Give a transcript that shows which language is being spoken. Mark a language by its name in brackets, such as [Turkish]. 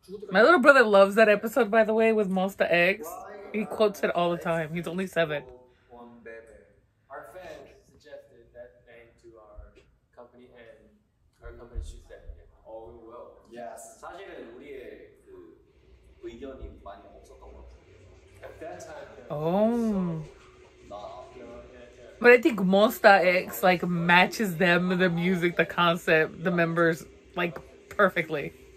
[English] my little brother loves that episode, by the way, with Monsta X. He quotes it all the time. He's only 7. Our fans suggested that name to our company, and our company should say, "Oh, we will." Yes. [Korean] 사실은 우리의 그 의견이 많이 없었던 것 같아요. [English] At that time. But I think Monsta X like matches them, the music, the concept, the members like perfectly.